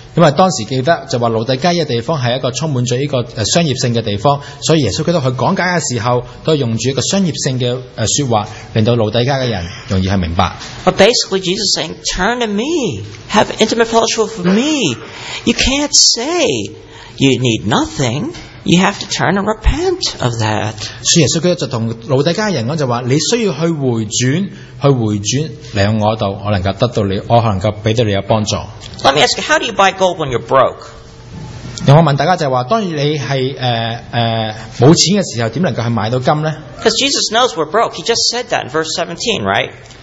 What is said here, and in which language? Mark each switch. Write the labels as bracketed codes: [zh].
[yue] 因为当时记得就话奴隶街嘅地方系一个充满咗呢个商业性嘅地方，所以耶稣基督去讲解嘅时候，都用住一个商业性嘅说话，令到奴隶街嘅人容易去明白。 [en] But basically, Jesus is saying, turn to me, have intimate fellowship with me. You can't say you need nothing. You have to turn and repent of that. [yue] 所以耶稣基督就同奴隶街人讲就话，你需要去回转，去回转嚟我度，我能够得到你，我能够俾到你有帮助。 [en] Let me ask you, how do you buy gold when you're broke? [yue] 我问大家就话，当你系冇钱嘅时候，点能够去买到金呢？ [en] Because Jesus knows we're broke. He just said that in verse 17, right?